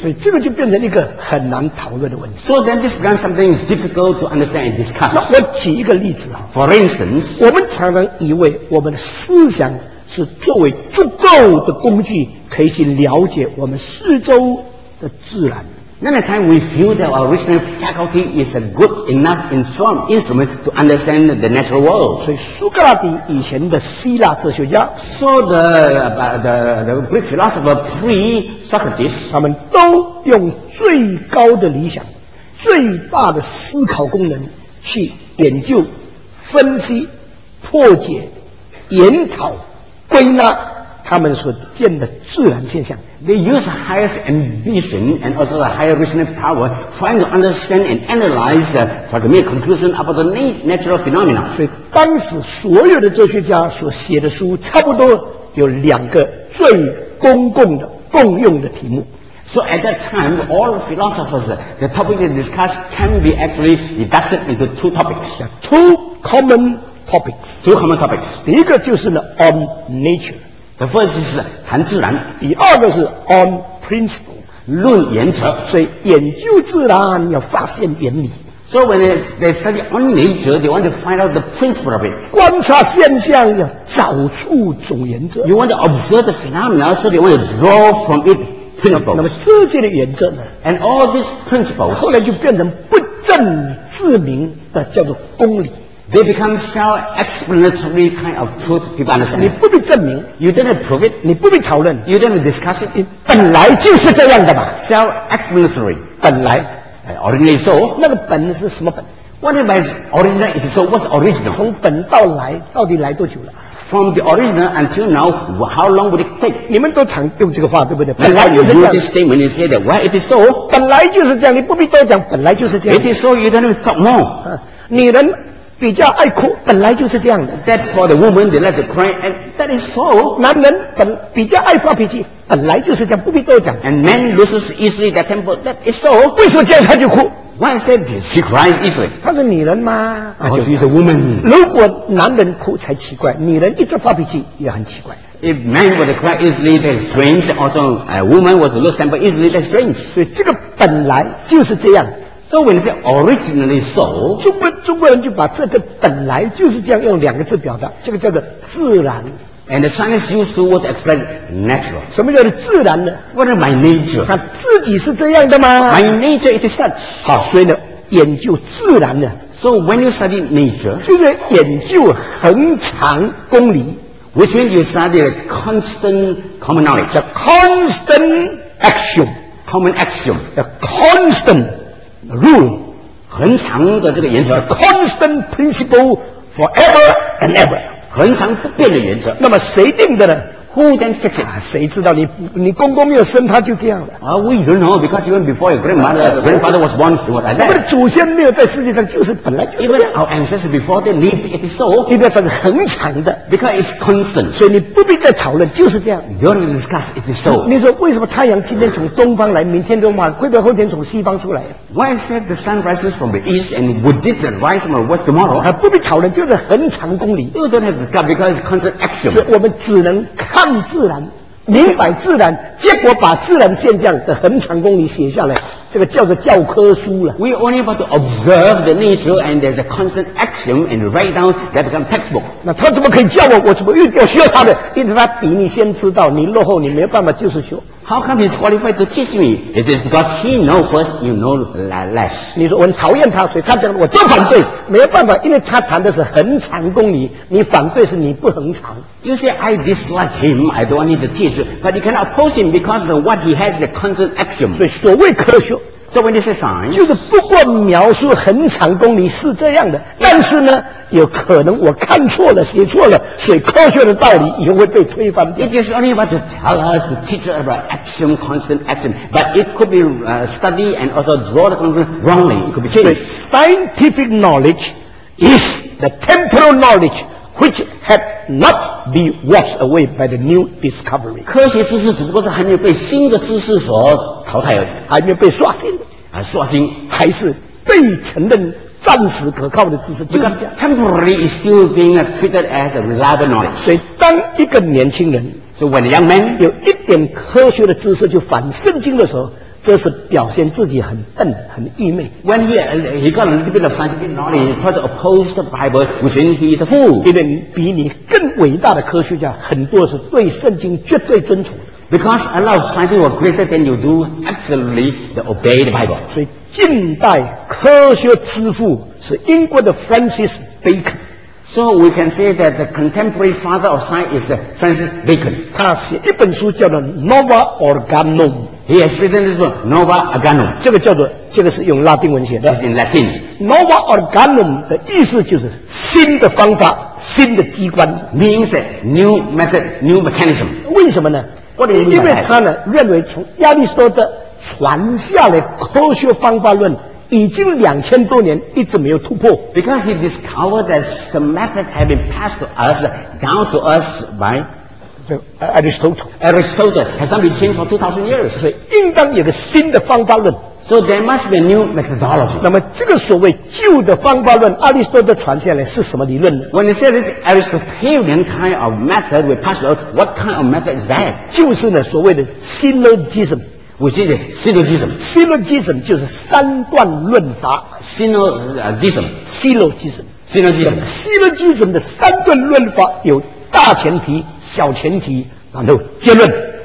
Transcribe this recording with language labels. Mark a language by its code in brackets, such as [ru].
[zh] 所以这个就变成一个很难讨论的问题。 [en] So then this becomes something difficult to understand and discuss. [zh] 那我举一个例子啊。 [en] For instance, [zh] 我们常常以为我们的思想是作为足够的工具，可以去了解我们四周的自然。 [en] Many times we feel that our reasoning faculty is a good enough and strong instrument to understand the natural world. [zh] 所以苏格拉底以前的希腊哲学家 [en] ，so the Greek philosopher pre Socrates， [zh] 他们都用最高的理想、最大的思考功能去研究、分析、破解、研讨、归纳。他们所见的自然现象 [en] They use the highest ambition and also the higher reasoning power trying to understand and analyze for to make conclusion about the natural phenomena. [zh] 所以当时所有的哲学家所写的书差不多有两个最公共的共用的题目。 [en] So at that time, all philosophers, the topic they discussed can be actually deducted into two topics. Two common topics. Two common topics. [zh] 第一个就是呢 [en] on nature. The first is [zh] 谈自然，第二个是 [en] on principle [zh] 论原则。所以研究自然要发现原理。 [en] So when they study on nature, they want to find out the principle of it. [zh] 观察现象要找出总原则。 [en] You want to observe the phenomena, so they want to draw from it principles. [zh] 那么世界的原则呢 [en] ？And all these principles [zh] 后来就变成不证自明的叫做公理。 [en] They become self-explanatory kind of truth. People understand. [zh] 你不必证明 [en] ，you didn't prove it. [zh] 你不必讨论 [en] ，you didn't discuss it. [zh] 本来就是这样的嘛。 [en] Self-explanatory. [zh] 本来 [en] ，originally so. [zh] 那个本是什么本 [en] ？What is original? If so, what's original? [zh] 从本到来，到底来多久了？ [en] From the original until now, how long would it take? [zh] 你们都常用这个话，对不对？本来就是这样。 [en] You use this statement and say that why it is so. [zh] 本来就是这样，你不必多讲。本来就是这样。 [en] It is so. You don't talk more. [zh] 女人。比较爱哭，本来就是这样的。 [en] That for the woman they like to cry, and that is so. [zh] 男人比较爱发脾气，本来就是这样，不必多讲。 [en] And man loses easily their temper, that is so. [zh] 为什么这样他就哭 [en] ？Why is that she cries easily? [zh] 她是女人吗 [en] ？Oh, she's a woman. [zh] 如果男人哭才奇怪，女人一直发脾气也很奇怪。 [en] If man were to cry easily, that's strange. Also, a woman was to lose temper easily, that's strange. [zh] 所以这个本来就是这样。 [en] So when it's originally so, [zh] 中国人就把这个本来就是这样用两个字表达，这个叫做自然。 [en] And the Chinese used the word to explain natural. [zh] 什么叫做自然呢 [en] ？What is my nature? [zh] 它自己是这样的吗 [en] ？My nature it is such. [zh] 好，所以呢，研究自然呢 [en] ，So when you study nature, [zh] 就是研究恒常公理 [en] ，which means you study a constant common knowledge, the constant axiom, common axiom, the constant. Rule, [zh] 恒常的这个原则 [en] ，constant principle forever and ever, [zh] 恒常不变的原则。那么谁定的呢 [en] Who then fix it? [zh] 谁知道你公公没有生他就这样了。 [en] Well, we don't know because even before your grandfather was born, it was like that. [zh] 我们的祖先没有在世界上就是本来就是这样。 [en] Even our ancestors before they lived, it is so. [zh] 因为它是恒常的。 [en] Because it's constant. [zh] 所以你不必再讨论，就是这样。 [en] You don't discuss, it is so. [zh] 你说为什么太阳今天从东方来，明天从晚，会不会后天从西方出来？ [en] Why is that the sun rises from the east and would it rise from the west tomorrow? [zh] 不必讨论，就是恒常公理。 [en] You don't have to discuss because it's constant action. [zh] 所以我们只能看。看自然，明白自然，结果把自然现象的恒常公理写下来，这个叫做教科书了。 [en] We only have to observe the nature, and there's a constant axiom, and write down that become textbook. [zh] 那他怎么可以教我？我怎么又学他的？因为他比你先知道，你落后，你没有办法，就是学。 [en] How come he's qualified to teach me? It is because he knows first, you know less. [zh] 你说我很讨厌他，所以他讲我就反对，没有办法，因为他谈的是恒常公理，你反对是你不恒常。 [en] You say I dislike him, I don't need to teach, but you cannot oppose him because of what he has the constant axiom. [zh] 所以所谓科学。 [en] So when you say science, [zh] 就是不过描述恒常公理是这样的，但是呢，有可能我看错了，写错了，所以科学的道理也会被推翻。 [en] It is only about to tell us, to teach us about axiom, constant axiom, but it could be study and also draw the conclusion wrongly. It could be changed. So scientific knowledge is the temporal knowledge which had not been washed away by the new discovery. [zh] 科学知识只不过是还没有被新的知识所淘汰而已，还没有被刷新。啊，刷新还是被承认。暂时可靠的知识，因为 [en] temporary is still being treated as a reliable knowledge. [zh] 所以，当一个年轻人 [en] ，so when a young man [zh] 有一点科学的知识就反圣经的时候，这是表现自己很笨、很愚昧。 [en] When he got a little bit of scientific knowledge, he tried to oppose the Bible, which means he is a fool. [zh] 因为比你更伟大的科学家很多是对圣经绝对遵从的。 [en] Because a lot of scientists were greater than you do absolutely they obey the Bible. [zh] 所以近代科学之父是英国的 Francis Bacon. [en] So we can say that the contemporary father of science is Francis Bacon. [zh] 他写一本书叫做 Nova Organum. [en] He has written this book, Nova Organum. [zh] 这个是用拉丁文写的。 [en] It's in Latin. [zh] Nova Organum 的意思就是新的方法，新的机关。 [en] Means that new method, new mechanism. [zh] 为什么呢？因为他呢认为从亚里士多德传下来科学方法论已经两千多年一直没有突破。 [en] Because he discovered that the method had been passed to us down to us by Aristotle. Aristotle has not been changed for 2,000 years. [zh] 所以应当有个新的方法论。 [en] So there must be a new methodology. [zh] 那么这个所谓旧的方法论，亚里士多德传下来是什么理论呢？ [en] When you say this Aristotelian kind of method, we pass out. What kind of method is that? [zh] 就是呢所谓的 syllogism. [en] Which is syllogism. [zh] Syllogism 就是三段论法。 [en] Syllogism. Syllogism. Syllogism. [zh] Syllogism 的三段论法有大前提、小前提，然后结论。